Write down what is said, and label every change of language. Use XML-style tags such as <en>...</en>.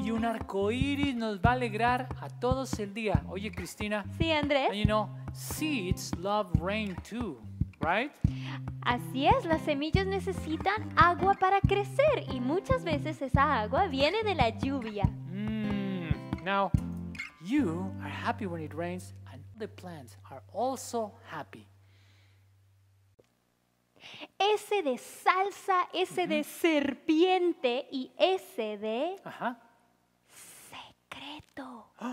<es>Arcoíris nos va a alegrar a todos el día. Oye, Cristina. Sí, Andrés.</es> <en>And you know, seeds love rain too, right?</en> <es>Así es, las semillas necesitan agua para crecer y muchas veces esa agua viene de la lluvia.</es> <en>Now, you are happy when it rains and the plants are also happy.</en> <es>S de salsa, S de serpiente y S de... Ajá. Secreto.</es>